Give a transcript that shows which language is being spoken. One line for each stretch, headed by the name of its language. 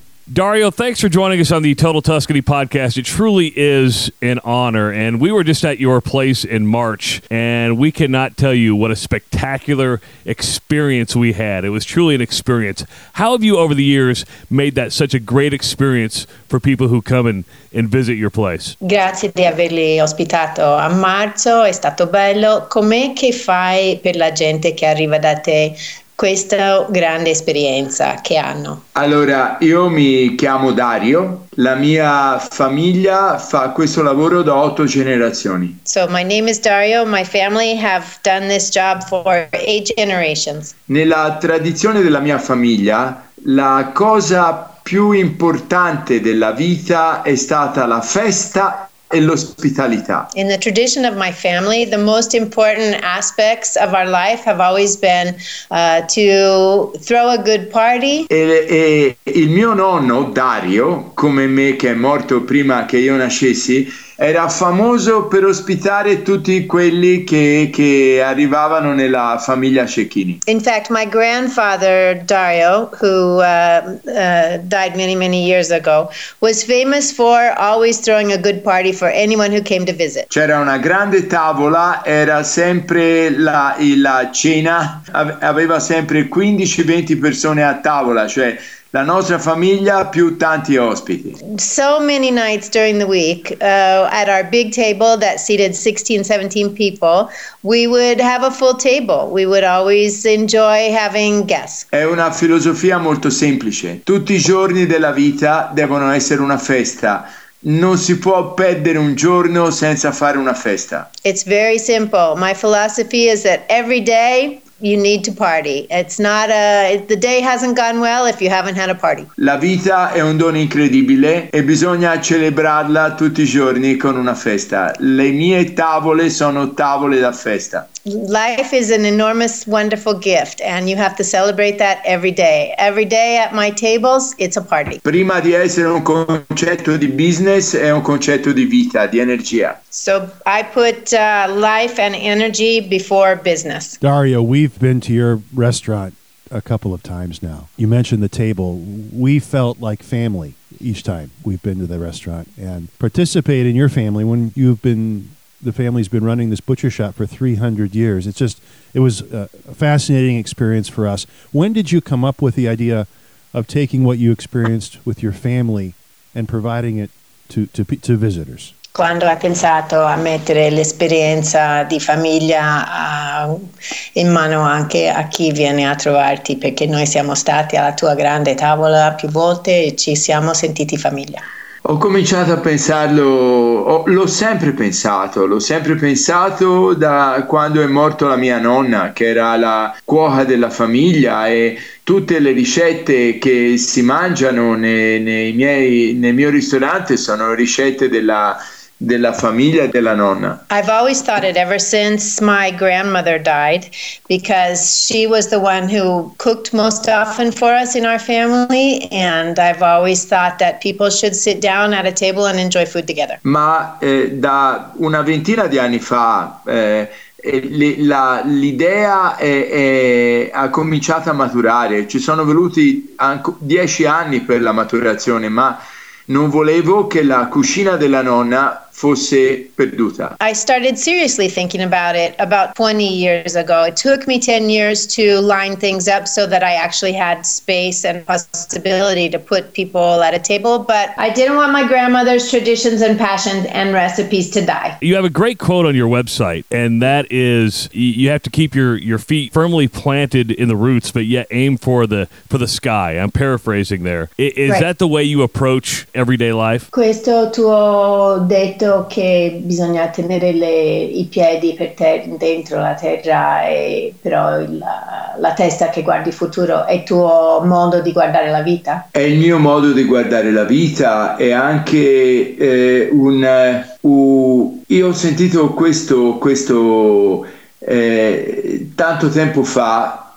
English: Dario, thanks for joining us on the Total Tuscany Podcast. It truly is an honor, and we were just at your place in March, and we cannot tell you what a spectacular experience we had. It was truly an experience. How have you, over the years, made that such a great experience for people who come and visit your place?
Italian: Grazie di averli ospitato a marzo, è stato bello. Com'è che fai per la gente che arriva da te questa grande esperienza che hanno? Allora, io mi chiamo Dario. La mia famiglia fa questo lavoro da 8 generazioni.
English: So, my name is Dario. My family have done this job for 8 generations.
Italian: Nella tradizione della mia famiglia, la cosa più importante della vita è stata la festa e l'ospitalità.
English: In the tradition of my family, the most important aspects of our life have always been to throw a good party.
Italian: E il mio nonno Dario, come me, che è morto prima che io nascessi, era famoso per ospitare tutti quelli che arrivavano nella famiglia Cecchini.
English: In fact, my grandfather Dario, who died many, many years ago, was famous for always throwing a good party for anyone who came to visit.
Italian: C'era una grande tavola, era sempre la cena, aveva sempre 15-20 persone a tavola, cioè la nostra famiglia più tanti ospiti.
English: So many nights during the week at our big table that seated 16, 17 people, we would have a full table. We would always enjoy having guests.
Italian: È una filosofia molto semplice. Tutti i giorni della vita devono essere una festa. Non si può perdere un giorno senza fare una festa.
English: It's very simple. My philosophy is that every day you need to party. It's not a, the day hasn't gone well if you haven't had a party.
Italian: La vita è un dono incredibile e bisogna celebrarla tutti i giorni con una festa. Le mie tavole sono tavole da festa.
English: Life is an enormous, wonderful gift, and you have to celebrate that every day. Every day at my tables, it's a party.
Italian: Prima di essere un concetto di business, è un concetto di vita, di energia.
English: So I put life and energy before business. Dario, we've been to your restaurant a couple of times now. You mentioned the table. We felt like family each time we've been to the restaurant and participate in your family when you've been... The family's been running this butcher shop for 300 years. It's just, it was a fascinating experience for us. When did you come up with the idea of taking what you experienced with your family and providing it to visitors?
Italian: Quando ha pensato a mettere l'esperienza di famiglia in mano anche a chi viene a trovarti, perché noi siamo stati alla tua grande tavola più volte e ci siamo sentiti famiglia. Ho cominciato a pensarlo, l'ho sempre pensato da quando è morta la mia nonna, che era la cuoca della famiglia, e tutte le ricette che si mangiano nel mio ristorante sono ricette della famiglia della nonna.
English: I've always thought it ever since my grandmother died, because she was the one who cooked most often for us in our family, and I've always thought that people should sit down at a table and enjoy food together.
Italian: Ma da una ventina di anni fa l'idea ha cominciato a maturare. Ci sono voluti 10 anni per la maturazione, ma non volevo che la cucina della nonna fosse perduta.
English: I started seriously thinking about it about 20 years ago. It took me 10 years to line things up so that I actually had space and possibility to put people at a table, but I didn't want my grandmother's traditions and passions and recipes to die. You have a great quote on your website, and that is, you have to keep your feet firmly planted in the roots, but yet aim for the sky. I'm paraphrasing there. Is that the way you approach everyday life?
Italian: Questo tuo detto che bisogna tenere i piedi per terra, dentro la terra, e però la testa che guardi il futuro, è il tuo modo di guardare la vita? È il mio modo di guardare la vita, è anche io ho sentito tanto tempo fa.